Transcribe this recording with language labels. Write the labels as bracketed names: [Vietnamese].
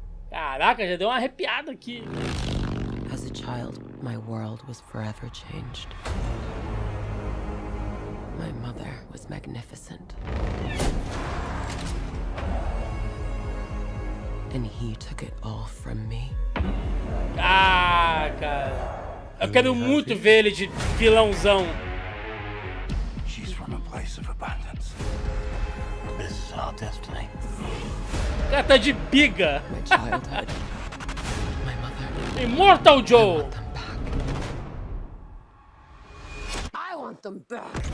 [Portuguese] Caraca, já deu uma arrepiada aqui. [English] As a child, my world was forever changed. My mother was magnificent. And he took it all from me. [Portuguese] Caraca. Eu quero muito ver ele de vilãozão. [English] She's from a place of abundance. This is our destiny. [Portuguese] Cara, tá de biga. [English] My mother. Immortal Joe. I want them back.